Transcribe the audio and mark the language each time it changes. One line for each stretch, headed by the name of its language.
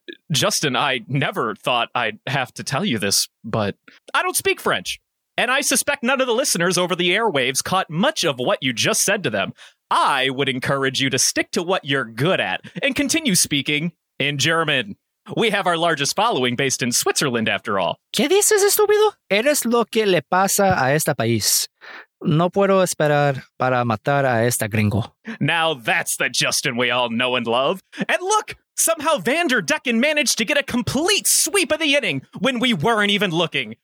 English: Justin, I never thought I'd have to tell you this, but I don't speak French. And I suspect none of the listeners over the airwaves caught much of what you just said to them. I would encourage you to stick to what you're good at and continue speaking in German. We have our largest following based in Switzerland, after all.
Spanish: ¿Qué dices, estúpido? Eres lo que le pasa a este país. No puedo esperar para matar a este gringo.
English: Now that's the Justin we all know and love. And look, somehow Vander Decken managed to get a complete sweep of the inning when we weren't even looking.